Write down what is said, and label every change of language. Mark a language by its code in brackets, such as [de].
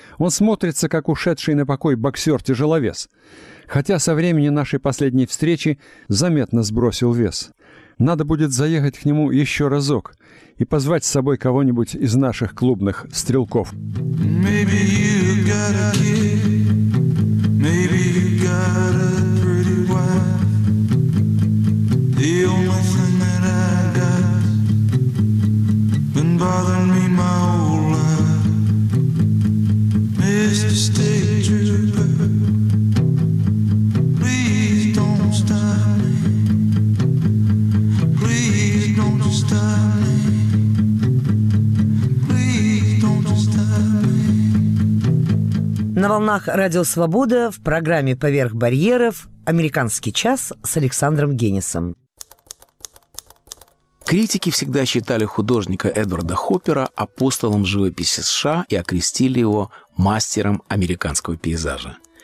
[ru] Он смотрится, как ушедший на покой боксер-тяжеловес. Хотя со времени нашей последней встречи заметно сбросил вес. Надо будет заехать к нему еще разок и позвать с собой кого-нибудь из наших клубных стрелков. [en] Maybe you got a kid. Maybe you got a pretty wife. The only thing that I got been bothering me my whole life. Mr. State Trooper, please don't stop me. Please don't stop me. [ru] На волнах Радио Свобода в программе «Поверх барьеров» «Американский час» с Александром Геннисом. Критики всегда считали художника Эдварда Хоппера апостолом живописи США и окрестили его «мастером американского пейзажа».